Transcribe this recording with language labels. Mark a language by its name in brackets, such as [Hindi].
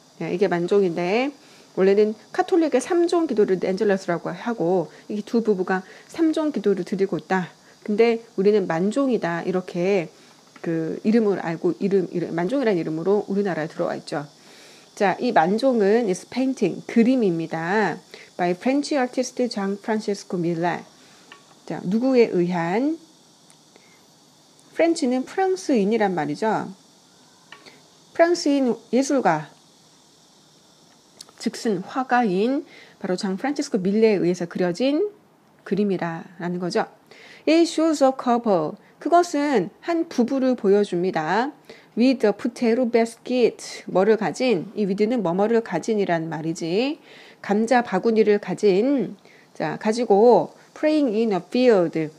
[Korean] 네, 이게 만종인데 원래는 카톨릭의 3종 기도를 엔젤러스라고 하고 이 두 부부가 3종 기도를 드리고 있다. 근데 우리는 만종이다 이렇게 그 이름을 알고 이름 만종이라는 이름으로 우리나라에 들어와 있죠. 자, 이 만종은 is painting 그림입니다. [English] By French artist Jean Francesco Millet. [Korean] 자, 누구에 의한? French는 프랑스인이란 말이죠. 프랑스인 예술가. 즉슨 화가인 바로 장 프란치스코 밀레에 의해서 그려진 그림이라는 거죠. [English] It shows a couple. [Korean] 그것은 한 부부를 보여줍니다. [English] With a potato basket. [Korean] 뭐를 가진? 이 with는 뭐뭐를 가진이란 말이지. 감자 바구니를 가진. 자, 가지고 [English] praying in a field.